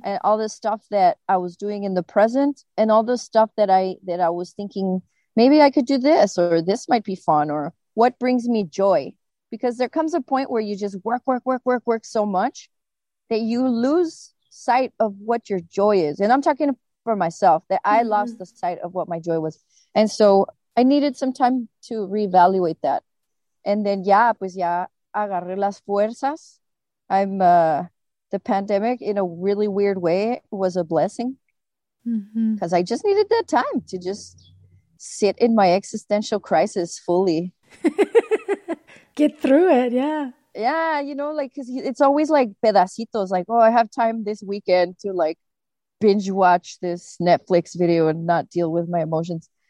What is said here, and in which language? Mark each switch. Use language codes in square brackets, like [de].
[en] and all the stuff that I was doing in the present, and all the stuff that I was thinking, maybe I could do this, or this might be fun, or what brings me joy? Because there comes a point where you just work so much that you lose sight of what your joy is. And I'm talking for myself, that mm-hmm. I lost the sight of what my joy was. And so I needed some time to reevaluate that. And then, [es] ya agarré las fuerzas. [en] The pandemic, in a really weird way, was a blessing. Because mm-hmm. I just needed that time to just sit in my existential crisis fully. Get through it, yeah. Yeah, you know, like, because it's always like pedacitos, like, oh, I have time this weekend to like binge watch this Netflix video and not deal with my emotions.